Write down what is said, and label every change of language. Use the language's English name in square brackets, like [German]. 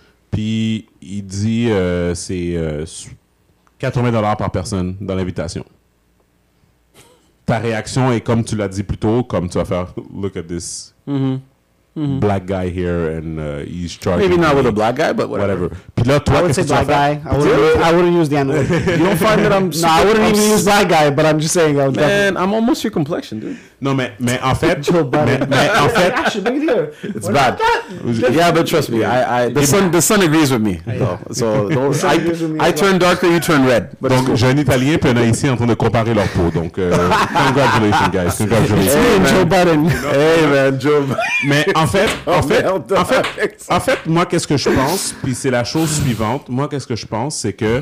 [French] Puis, il dit c'est 80$ par personne dans l'invitation. Ta réaction est comme tu l'as dit plus tôt, comme tu vas faire « [English] Look at this black guy here and he's charging Maybe not me. With a black guy, but whatever. » [French] Puis là, toi, qu'est-ce que tu vas faire? [English] I wouldn't use the N-word. You don't find that I'm... No, I wouldn't even use black guy, but I'm just saying... I'm man, I'm almost your complexion, dude. [French] Non, mais en fait... mais en fait... [English] It's bad. Yeah, but trust me, the sun agrees with me. So I turn darker, you turn red. [French] Donc, j'ai un Italien et un Haïtien en train de comparer leur peau. [English] Donc, congratulations, guys. Congratulations. Hey, man. Joe Biden. Hey, man, Joe Biden. [French] Mais en En fait, moi, qu'est-ce que je pense, puis c'est la chose suivante. Moi, qu'est-ce que je pense, c'est que...